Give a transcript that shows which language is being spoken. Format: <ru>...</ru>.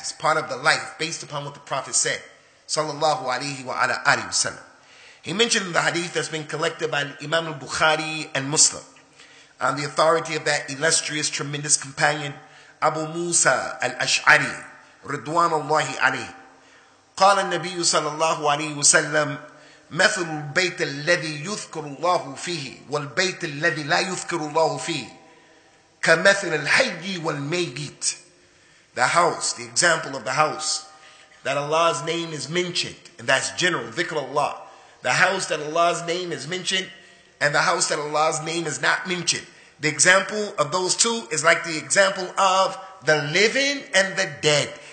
<en>It's part of the life based upon what the Prophet said, sallallahu alayhi wa ala alayhi wa sallam. He mentioned the hadith that's been collected by Imam al-Bukhari and Muslim on the authority of that illustrious, tremendous companion, Abu Musa al-Ash'ari, ridwanullahi alayhi.</en> <ar>قال النبي صلى الله عليه وسلم مثل البيت الذي يذكر الله فيه والبيت الذي لا يذكر الله فيه كمثل الحي والميت.</ar> <en>The house, the example of the house that Allah's name is mentioned, and that's general, dhikr Allah. The house that Allah's name is mentioned and the house that Allah's name is not mentioned. The example of those two is like the example of the living and the dead.</en>